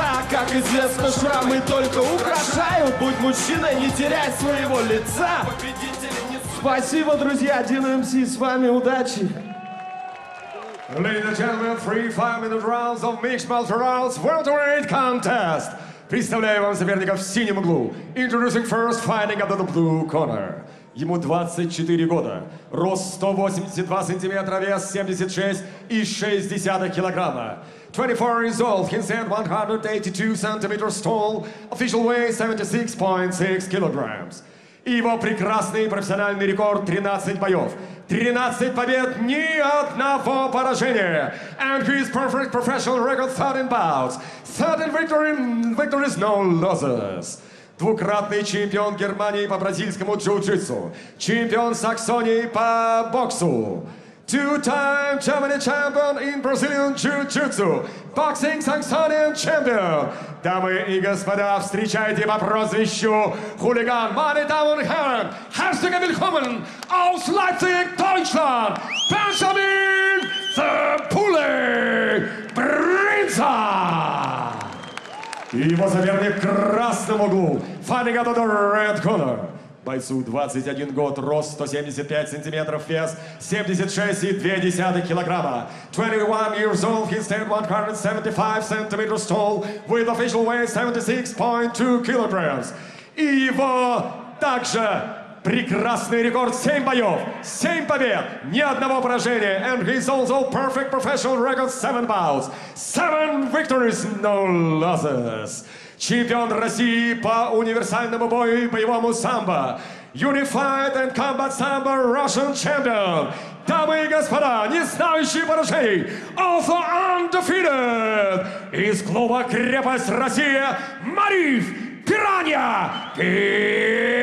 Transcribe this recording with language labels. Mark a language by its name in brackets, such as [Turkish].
[Russian] Как известно, шрамы только украшают. Будь мужчиной, не теряй своего лица. Спасибо, друзья, Дин МС, с вами удачи. [English] Ladies and gentlemen, 3 5-minute rounds of mixed martial arts welterweight contest. [Russian] Представляю вам соперников в синем углу. [English] Introducing first, fighting out of the blue corner. [Russian] Ему 24 года, рост 182 сантиметра, вес 76,6 килограмма. [English] 24 years old, he stands 182 centimeters tall, official weight 76.6 kilograms. [Russian] И его прекрасный профессиональный рекорд 13 боев. 13 побед, ни одного поражения. [English] And his perfect professional record 13 bouts. 13 victories, no losses. [Russian] Двукратный чемпион Германии по бразильскому джиу-джитсу. Чемпион Саксонии по боксу. [English] Two-time Germany champion in Brazilian Jiu-Jitsu. Boxing Saxonian champion. [Russian] Дамы и господа, встречайте по прозвищу хулиган. [German] Meine Damen und Herren, herzlich willkommen aus Leipzig, Deutschland. [English] Benjamin the Pule Brinza. [Russian] И его соперник в красном углу. [English] Fighting out of the red corner. [Russian] Бойцу 21 год, рост 175 сантиметров, вес 76,2 килограмма. [English] 21 years old, he stands 175 centimeters tall, with official weight 76.2 kilograms. [Russian] И его также прекрасный рекорд 7 боев, 7 побед, ни одного поражения. [English] And he's also perfect professional record 7 bouts, 7 victories, no losses. [Russian] Чемпион России по универсальному бою и боевому самбо. [English] Unified and Combat Samba Russian Champion. [Russian] Дамы и господа, не знающий поражений, [English] also undefeated. [Russian] Из клуба «Крепость Россия» Мариф Пиранья Пираев.